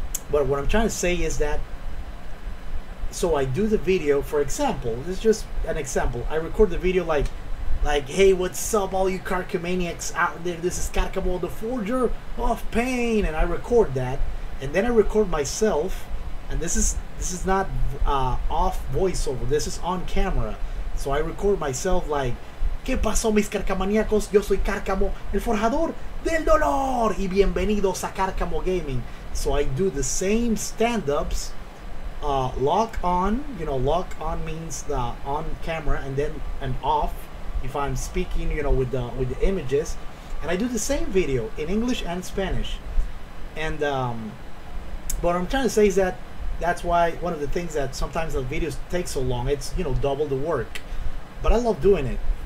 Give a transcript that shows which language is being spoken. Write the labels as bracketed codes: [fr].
[en] But what I'm trying to say is that, so I do the video, for example, this is just an example, I record the video like, hey, what's up all you Karcamaniacs out there, this is Karcamo, the Forger of Pain, and I record that, and then I record myself, and this is not off voiceover, this is on camera. So I record myself like, [es] ¿Qué pasó mis carcamaniacos? Yo soy Karcamo, el forjador del dolor, y bienvenidos a Karcamo Gaming. [en] So I do the same stand-ups, lock on, you know, lock on means the on camera, and then an off, if I'm speaking, you know, with the images. And I do the same video in English and Spanish. And what I'm trying to say is that that's why one of the things that sometimes the videos take so long, it's, you know, double the work. But I love doing it.